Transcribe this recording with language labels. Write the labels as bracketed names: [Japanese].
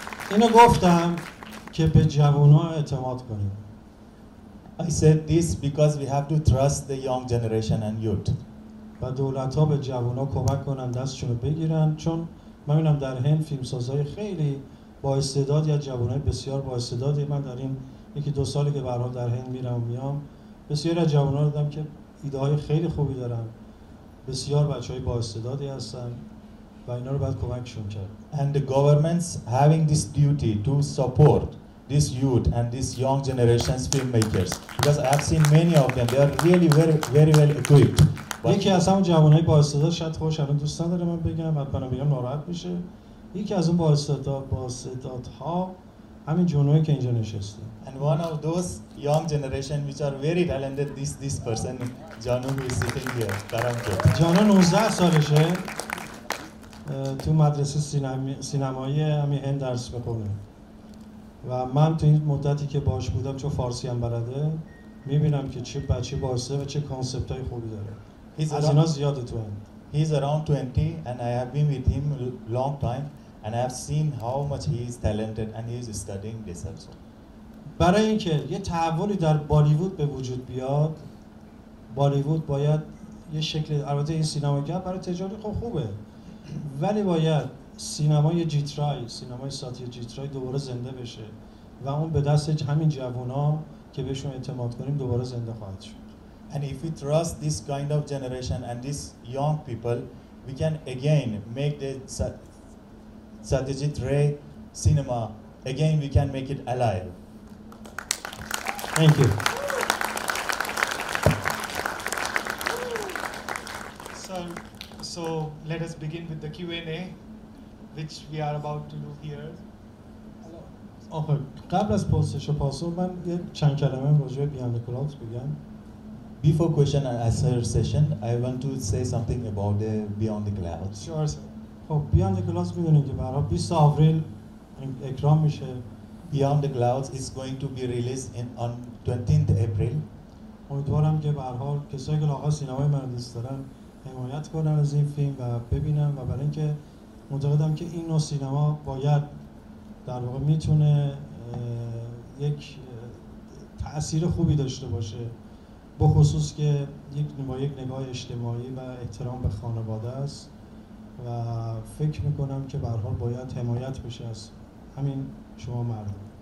[Persian] اینو گفتم که به جوان‌ها اعتماد کنیم. [English] I said this because we have to trust the young generation and youth. [Persian] و دولت‌ها به جوان‌ها کمک کنن دستشون رو بگیرن چون من می‌بینم در هند فیلمسازای خیلی با استعداد یا جوان‌های بسیار با استعدادی من داریم یکی دو سالی که برام در هند میرم و میام بسیار از جوان‌ها دیدم که ایده‌های خیلی خوبی دارن. بسیار بچه‌های با استعدادی هستن و اینا رو باید کمکشون کرد. [English] And the governments having this duty to support this youth and this young generation's filmmakers. Because I've seen many of them, they are really very well equipped. [Persian] یکی از همون جوانای با استعداد شاید خوش الان دوست داره من بگم بعد منم بگم ناراحت میشه. یکی از اون با استعدادها همین جوانایی که اینجا نشسته. [English] And one of those young generation which are very talented this person جانو who is sitting here. Karamjo. [Persian] جانو 19 سالشه. تو مدرسه سینمایی همین هند درس میخونه و من تو این مدتی که باش بودم چون فارسی هم بلده میبینم که چه بچه باسته و چه کانسپت های خوبی داره از اینا زیاده تو هند. [English] He's around 20 and I have been with him long time and I have seen how much he is talented and he is studying this also. [Persian] برای اینکه یه تحولی در بالیوود به وجود بیاد بالیوود باید یه شکل البته این سینماگر برای تجاری خوبه ولی باید سینمای جیترای، سینمای ساتی جیترای دوباره زنده بشه و اون به دست همین جوان ها که بهشون اعتماد کنیم دوباره زنده خواهد شد. [English] And if we trust this kind of generation and this young people, we can again make the Satyajit Ray cinema, again we can make it alive. Thank you. So let us begin with the Q&A, which we are about to do here. [Persian] آخه قبل از پرسش و پاسخ من یه چند کلمه راجع به بیاند کلاود بگم. [English] Before question and answer session, I want to say something about the Beyond the Clouds. Sure, sir. [Persian] خب بیاند کلاود می‌دونید که برای 20 آوریل اکرام میشه. [English] Beyond the Clouds is going to be released on 20th April. [Persian] امیدوارم که به هر حال کسایی که علاقه سینمای من دوست دارن حمایت کنم از این فیلم و ببینم و برای اینکه معتقدم که این نوع سینما باید در واقع میتونه یک تأثیر خوبی داشته باشه بخصوص که یک نگاه اجتماعی و احترام به خانواده است و فکر میکنم که به هر حال باید حمایت بشه از همین شما مردم.